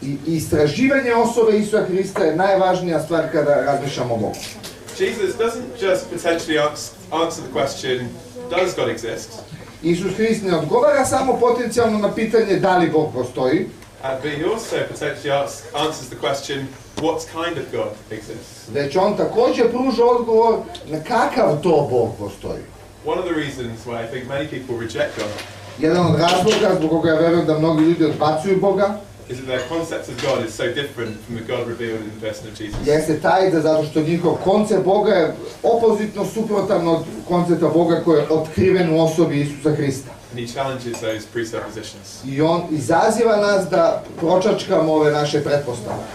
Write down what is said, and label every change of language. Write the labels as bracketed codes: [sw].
[sr] Istraživanje osobe Isusa Hrista je najvažnija stvar kada razmišljamo o Bogu. [en] Jesus doesn't just potentially answer the question, does God exist? [sr] Isus Hrist ne odgovara samo potencijalno na pitanje da li Bog postoji. [en] But he also potentially answers the question, what kind of God exists? [sr] Već on također pruža odgovor na kakav to Bog postoji. [en] One of the reasons why I think many people reject God. [sr] Jedan od razloga zbog koga ja verujem da mnogi ljudi odbacuju Boga [en] is that the concept of God is so different from the God revealed in the person of Jesus. [sr] Jeste taj da zato što njihov koncept Boga je opozitno suprotan od koncepta Boga koji je otkriven u osobi Isusa Hrista. [en] And he challenges those presuppositions. [sr] I on izaziva nas da pročačkamo ove naše pretpostavke.